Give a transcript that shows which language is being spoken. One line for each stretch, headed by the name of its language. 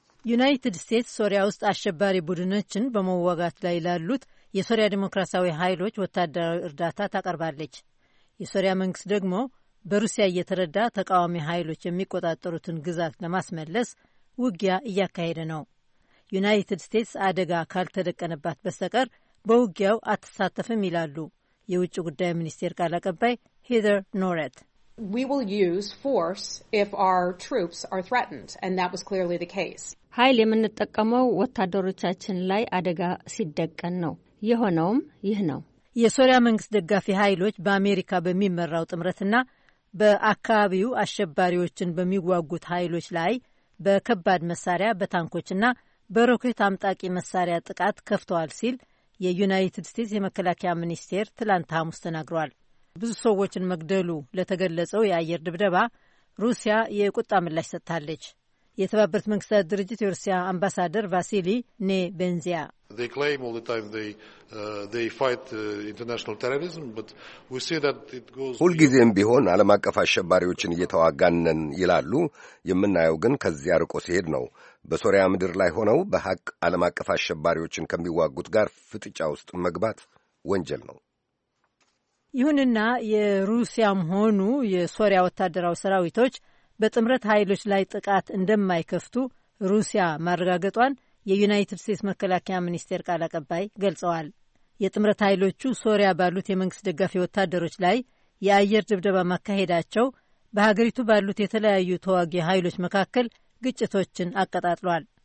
Amharic: ዩናይትድ ስቴትስ ሶሪያ ውስጥ አሸባሪ ቡድኖችን በመዋጋት ላይ ላሉት የሶሪያ ዲሞክራሲያዊ ኃይሎች ወታደራዊ እርዳታ ታቀርባለች። የሶሪያ መንግስት ደግሞ በሩሲያ እየተረዳ ተቃዋሚ ኃይሎች የሚቆጣጠሩትን ግዛት ለማስመለስ ውጊያ እያካሄደ ነው። ዩናይትድ ስቴትስ አደጋ ካልተደቀነባት በስተቀር በውጊያው አትሳተፍም ይላሉ የውጭ ጉዳይ ሚኒስቴር ቃል አቀባይ ሄደር ኖረት።
English: We will use force if our troops are threatened, and that was clearly the case.
Amharic: ኃይል የምንጠቀመው ወታደሮቻችን ላይ አደጋ ሲደቀን ነው። የሆነውም ይህ ነው። የሶሪያ መንግስት ደጋፊ ኃይሎች በአሜሪካ በሚመራው ጥምረትና በአካባቢው አሸባሪዎችን በሚዋጉት ኃይሎች ላይ በከባድ መሳሪያ፣ በታንኮችና በሮኬት አምጣቂ መሳሪያ ጥቃት ከፍተዋል ሲል የዩናይትድ ስቴትስ የመከላከያ ሚኒስቴር ትላንት ሐሙስ ተናግሯል። ብዙ ሰዎችን መግደሉ ለተገለጸው የአየር ድብደባ ሩሲያ የቁጣ ምላሽ ሰጥታለች። የተባበሩት መንግስታት ድርጅት የሩሲያ አምባሳደር ቫሲሊ ኔ ቤንዚያ
English: They claim all the time they fight international terrorism, but we see that it goes
Amharic: ሁልጊዜም ቢሆን ዓለም አቀፍ አሸባሪዎችን እየተዋጋነን ይላሉ። የምናየው ግን ከዚያ ርቆ ሲሄድ ነው። በሶሪያ ምድር ላይ ሆነው በሐቅ ዓለም አቀፍ አሸባሪዎችን ከሚዋጉት ጋር ፍጥጫ ውስጥ መግባት ወንጀል ነው። ይሁንና የሩሲያም ሆኑ የሶሪያ ወታደራዊ ሰራዊቶች በጥምረት ኃይሎች ላይ ጥቃት እንደማይከፍቱ ሩሲያ ማረጋገጧን የዩናይትድ ስቴትስ መከላከያ ሚኒስቴር ቃል አቀባይ ገልጸዋል። የጥምረት ኃይሎቹ ሶሪያ ባሉት የመንግስት ደጋፊ ወታደሮች ላይ የአየር ድብደባ ማካሄዳቸው በሀገሪቱ ባሉት የተለያዩ ተዋጊ ኃይሎች መካከል ግጭቶችን አቀጣጥሏል።